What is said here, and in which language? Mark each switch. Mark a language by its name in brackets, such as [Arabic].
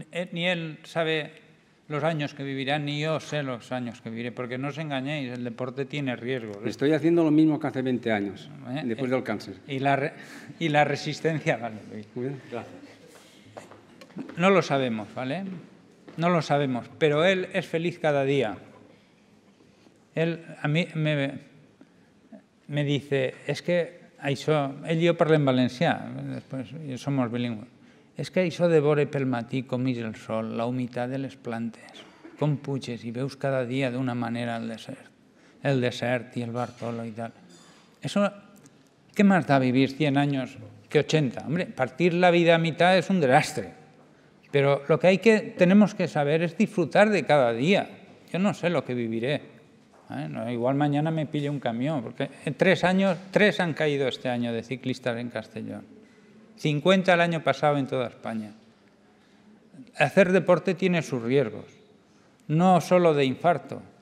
[Spanish] Ni él sabe los años que vivirá, ni yo sé los años que viviré, porque no os engañéis, el deporte tiene riesgos. Estoy haciendo lo mismo que hace 20 años, después del cáncer. Y la resistencia, vale, Luis. Muy bien, gracias. No lo sabemos, ¿vale? No lo sabemos, pero él es feliz cada día. Él a mí me dice, [Catalan] es que això, ell i jo parlem valencià, després som bilingües, és que això de vore pel matí com és el sol, la humitat de les plantes, com puges i veus cada dia d'una manera el desert i el Bartolo i tal. Això, què m'has de vivir 100 anys que 80? Hombre, partir la vida a mitat és un desastre, però el que tenemos que saber és disfrutar de cada dia. Jo no sé el que viviré. [Spanish] No, igual mañana me pille un camión, porque tres han caído este año de ciclistas en Castellón. 50 el año pasado en toda España. Hacer deporte tiene sus riesgos, no solo de infarto.